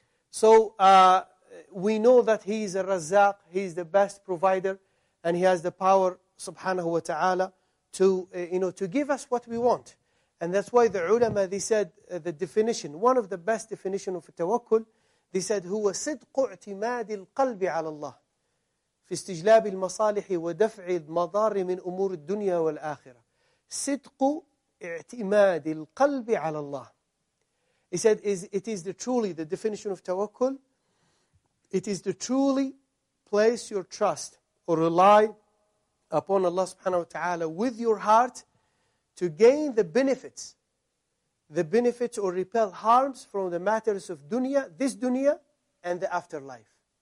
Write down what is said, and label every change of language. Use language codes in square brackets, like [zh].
[en] So we know that He is a Razzaq, He is the best provider, and He has the power subhanahu wa ta'ala to you know, to give us what we want. And that's why the ulama, they said the definition, one of the best definition of tawakkul, they said, [ar] هو صدق اعتماد القلب على الله في استجلاب المصالح ودفع المضار من أمور الدنيا والآخرة. صدق اعتماد القلب على الله. [en] He said, it is truly the definition of tawakkul. It is to truly place your trust or rely upon Allah subhanahu wa ta'ala with your heart to gain the benefits. The benefits or repel harms from the matters of dunya, this dunya, and the afterlife.